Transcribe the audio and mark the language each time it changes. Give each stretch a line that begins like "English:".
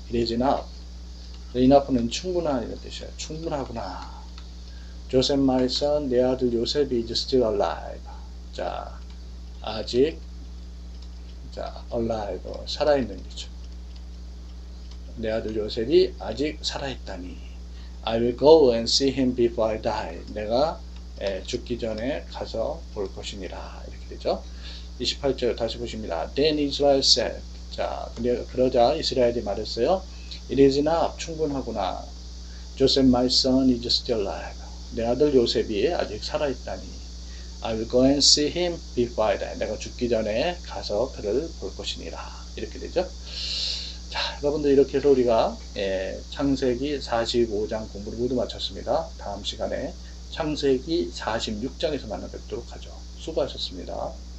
English: It is enough. Enough는
Korean: 충분한 이런 뜻이에요. 충분하구나.
English: Joseph, my son,
Korean: 내 아들 요셉이
English: is still alive.
Korean: 자, 아직, 자, alive, 살아있는 거죠. 내 아들 요셉이 아직 살아있다니.
English: I will go and see him before I die.
Korean: 내가 죽기 전에 가서 볼 것이니라. 이렇게 되죠. 28절 다시 보십니다.
English: Then Israel said.
Korean: 자, 근데 그러자 이스라엘이 말했어요.
English: It is enough.
Korean: 충분하구나.
English: Joseph, my son, is still alive.
Korean: 내 아들 요셉이 아직 살아있다니.
English: I will go and see him before I die.
Korean: 내가 죽기 전에 가서 그를 볼 것이니라. 이렇게 되죠. 자, 여러분들 이렇게 해서 우리가 창세기 45장 공부를 모두 마쳤습니다. 다음 시간에 창세기 46장에서 만나 뵙도록 하죠. 수고하셨습니다.